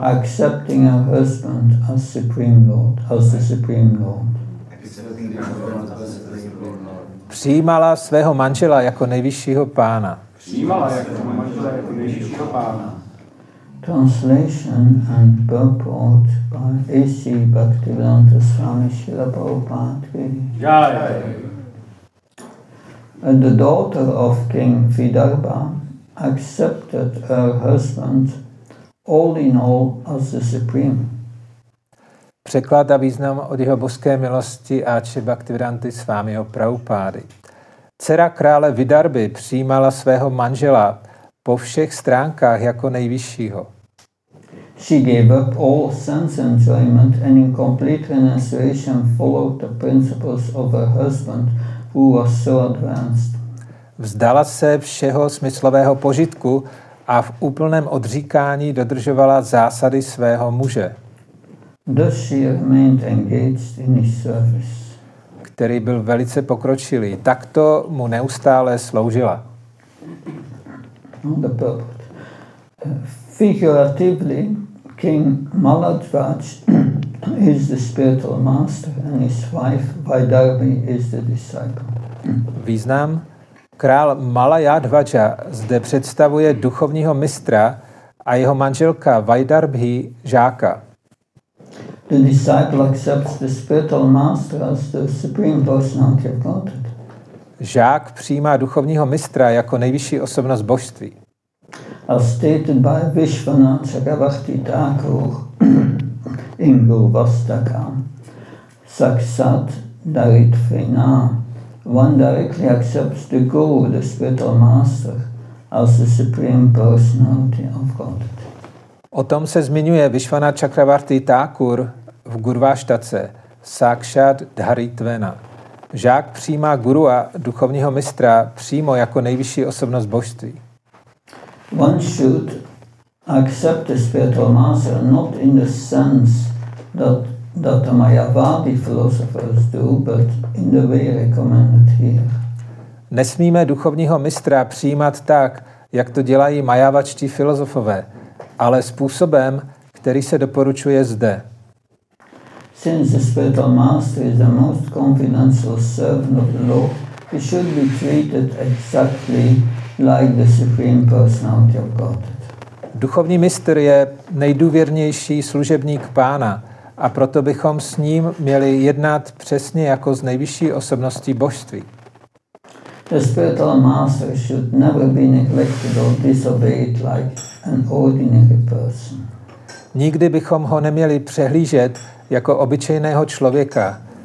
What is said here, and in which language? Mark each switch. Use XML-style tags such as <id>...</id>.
<en>accepting her husband as Supreme Lord, as the Supreme Lord.</en> <cs>Přijímala svého manžela jako nejvyššího pána. Přijímala svého manžela jako nejvyššího pána.</cs> <en>Translation and purport by A.C. Bhaktivedanta Swami Srila Prabhupada. Jaya. And the daughter of King Vidarbha accepted her husband all in all as the supreme.</en> <cs>Překlad a význam od jeho božské milosti Ači Bhaktivedanty Svámiho Prabhupády. Dcera krále Vidarbhy přijímala svého manžela po všech stránkách jako nejvyššího.</cs> <en>She gave up all sense enjoyment and in complete renunciation followed the principles of her husband who was so advanced.</en> <cs>Vzdala se všeho smyslového požitku a v úplném odříkání dodržovala zásady svého muže.</cs> <en>Thus she remained engaged in his service.</en> <cs>Který byl velice pokročilý. Takto mu neustále sloužila.</cs> <en>The purport. Figuratively, King Maladvaj is the spiritual master and his wife Vaidarbhi is the disciple.</en> <cs>Význam. Král Malayadvaja zde představuje duchovního mistra a jeho manželka Vaidarbhi žáka.</cs> <en>The disciple accepts the spiritual master as the supreme personality of Godhead.</en> <cs>Žák přijímá duchovního mistra jako nejvyšší osobnost božství.</cs> <en>As stated by Vishvanatha Chakravarti Thakur in Gurvastaka, Saksat Daritvina, one directly accepts the Guru, the spiritual master, as the supreme personality of Godhead.</en> <cs>O tom se zmiňuje Vishvanatha Chakravarti Thakur v Gurváštace, Sakshat Dharitvena. Žák přijímá guru a duchovního mistra přímo jako nejvyšší osobnost božství.</cs> <en>One should accept the spiritual master not in the sense that the Mayavadi philosophers do, but in the way recommended here.</en> <cs>Nesmíme duchovního mistra přijímat tak, jak to dělají majavačtí filozofové, ale způsobem, který se doporučuje zde.</cs> <en>Since the spiritual master is the most confidential servant of the Lord, he should be treated exactly like the supreme personality of God.</en> <cs>Duchovní mistr je nejdůvěrnější služebník Pána a proto bychom s ním měli jednat přesně jako s nejvyšší osobností božství.</cs> <en>The spiritual master should never be neglected or disobeyed like an ordinary person.</en> <cs>Nikdy bychom ho neměli přehlížet jako obyčejného člověka.</cs>